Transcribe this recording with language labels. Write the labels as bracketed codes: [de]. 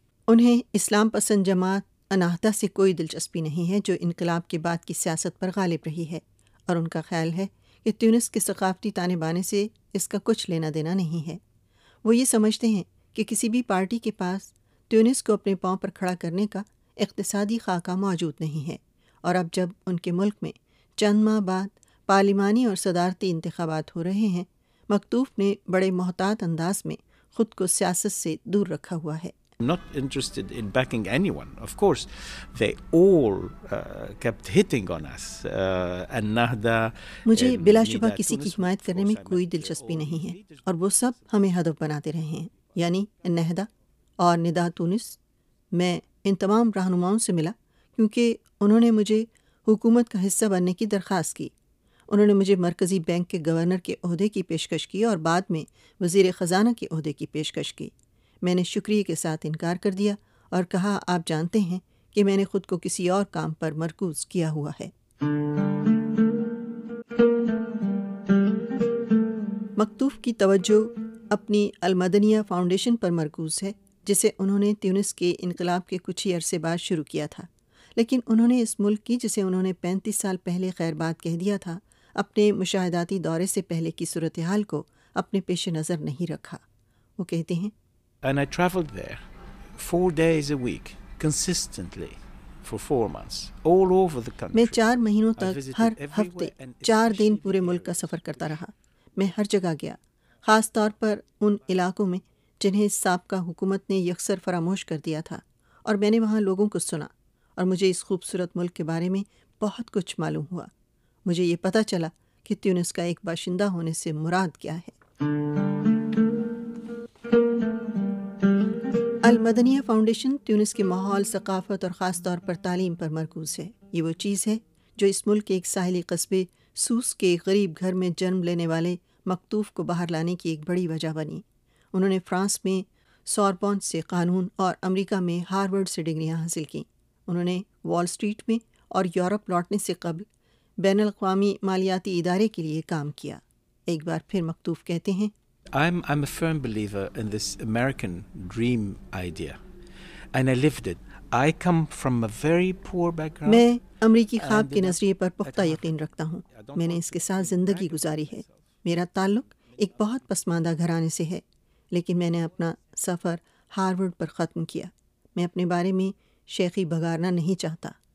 [ur] انہیں اسلام پسند جماعت اناہتا سے کوئی دلچسپی نہیں ہے جو انقلاب کے بعد کی سیاست پر غالب رہی ہے، اور ان کا خیال ہے کہ تیونس کے ثقافتی تانے بانے سے اس کا کچھ لینا دینا نہیں ہے۔ وہ یہ سمجھتے ہیں کہ کسی بھی پارٹی کے پاس تیونس کو اپنے پاؤں پر کھڑا کرنے کا اقتصادی خاکہ موجود نہیں ہے، اور اب جب ان کے ملک میں چند ماہ بعد پارلیمانی اور صدارتی انتخابات ہو رہے ہیں، مکتوف نے بڑے محتاط انداز میں خود کو سیاست سے دور رکھا ہوا ہے۔ [en] Not interested in backing anyone. Of course, they all kept hitting on us. Ennahda, [ur] مجھے بلا شبہ کسی کی حمایت کرنے میں کوئی دلچسپی نہیں ہے، اور وہ سب ہمیں ہدف بناتے رہے ہیں، یعنی ennahda اور ندا تونس۔ میں ان تمام رہنماؤں سے ملا کیونکہ انہوں نے مجھے حکومت کا حصہ بننے کی درخواست کی۔ انہوں نے مجھے مرکزی بینک کے گورنر کے عہدے کی پیشکش کی اور بعد میں وزیر خزانہ کے عہدے کی پیشکش کی۔ میں نے شکریہ کے ساتھ انکار کر دیا اور کہا، آپ جانتے ہیں کہ میں نے خود کو کسی اور کام پر مرکوز کیا ہوا ہے۔ مکتوف کی توجہ اپنی المدنیہ فاؤنڈیشن پر مرکوز ہے، جسے انہوں نے تیونس کے انقلاب کے کچھ ہی عرصے بعد شروع کیا تھا، لیکن انہوں نے اس ملک کی، جسے انہوں نے 35 سال پہلے خیر باد کہہ دیا تھا، اپنے مشاہداتی دورے سے پہلے کی صورتحال کو اپنے پیش نظر نہیں رکھا۔ وہ کہتے ہیں، [en] And I traveled there 4 days a week, consistently, for 4 months, all over the country. [ur] میں 4 مہینوں تک ہر ہفتے 4 دن پورے ملک کا سفر کرتا رہا۔ میں ہر جگہ گیا، خاص طور پر ان علاقوں میں جنہیں سابقہ حکومت نے یکسر فراموش کر دیا تھا، اور میں نے وہاں لوگوں کو سنا، اور مجھے اس خوبصورت ملک کے بارے میں بہت کچھ معلوم ہوا۔ مجھے یہ پتہ چلا کہ تیونس کا ایک باشندہ ہونے سے مراد کیا ہے۔ المدنیہ فاؤنڈیشن تیونس کے ماحول، ثقافت اور خاص طور پر تعلیم پر مرکوز ہے۔ یہ وہ چیز ہے جو اس ملک کے ایک ساحلی قصبے سوس کے غریب گھر میں جنم لینے والے مکتوف کو باہر لانے کی ایک بڑی وجہ بنی۔ انہوں نے فرانس میں سوربون سے قانون اور امریکہ میں ہارورڈ سے ڈگریاں حاصل کیں۔ انہوں نے وال اسٹریٹ میں اور یورپ لوٹنے سے قبل بین الاقوامی مالیاتی ادارے کے لیے کام کیا۔ ایک بار پھر مکتوف کہتے ہیں، [en] I'm a firm believer in this American dream idea and I lived it. I come from a very poor background. [ur] میں امریکی خواب کے نظریے پر پختہ یقین رکھتا ہوں۔ میں نے اس کے ساتھ زندگی گزاری ہے۔ میرا تعلق ایک بہت پسماندہ گھرانے سے ہے، لیکن میں نے اپنا سفر ہارورڈ پر ختم کیا. میں اپنے بارے میں شیخی بگارنا نہیں چاہتا.